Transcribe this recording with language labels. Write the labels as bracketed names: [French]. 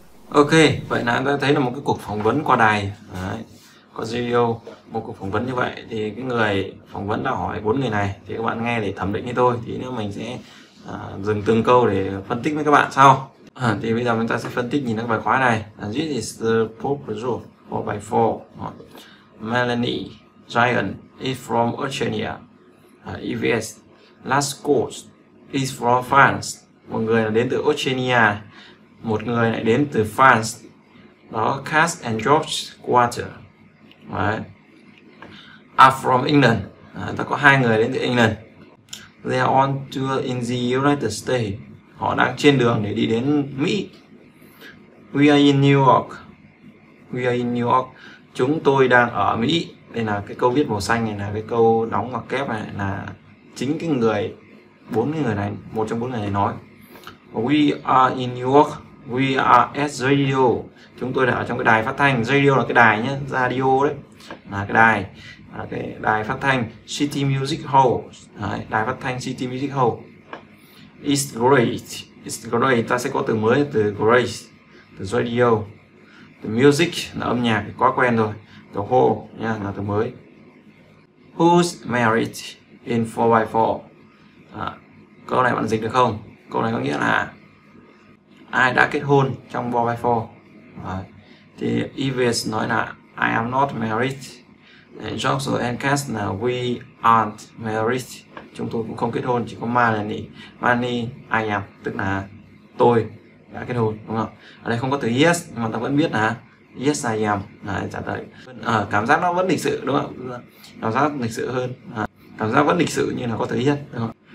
[Vietnamese] Ok, vậy là ta thấy là một cái cuộc phỏng vấn qua đài. Đấy, có video một cuộc phỏng vấn như vậy. Thì cái người phỏng vấn đã hỏi bốn người này. Thì các bạn nghe để thẩm định như tôi. Thì nếu mình sẽ dừng từng câu để phân tích với các bạn sau. Thì bây giờ chúng ta sẽ phân tích nhìn các bài khóa này. [English] This is the pop group 4x4. Melanie Giant is from Australia. EVS Lascaux is from France. [Vietnamese] Một người là đến từ Australia, một người lại đến từ France. [English] Đó, Cass and George Quarter. Right. Are from England. [Vietnamese] Ta có hai người đến từ England. [English] They are on tour in the United States. [Vietnamese] Họ đang trên đường để đi đến Mỹ. [English] We are in New York. We are in New York. [Vietnamese] Chúng tôi đang ở Mỹ. Đây là cái câu viết màu xanh này, là cái câu đóng ngoặc kép này, là chính cái người, bốn cái người này, một trong bốn người này nói. [English] We are in New York. We are at radio. [Vietnamese] Chúng tôi đã ở trong cái đài phát thanh. Radio là cái đài nhé, radio đấy. Là cái đài, là cái đài phát thanh City Music Hall. Đấy, đài phát thanh City Music Hall. [English] It's great. [Vietnamese] Ta sẽ có từ mới, từ great. Từ radio. [English] The music [Vietnamese] là âm nhạc, quá quen rồi. The hall nha, là từ mới. [English] Who's married in 4x4? [Vietnamese] Câu này bạn dịch được không? Câu này có nghĩa là ai đã kết hôn trong 4x4? Thì Yves nói là [English] I am not married. George and Cass là we aren't married. [Vietnamese] Chúng tôi cũng không kết hôn, chỉ có Melanie. Melanie, [English] I am, [Vietnamese] tức là tôi đã kết hôn, đúng không? Ở đây không có từ yes, nhưng mà ta vẫn biết là [English] yes, I am. [Vietnamese] Đấy, trả lời. Cảm giác nó vẫn lịch sự, đúng không? Cảm giác lịch sự hơn. Cảm giác vẫn lịch sự như là có từ yes, đúng không?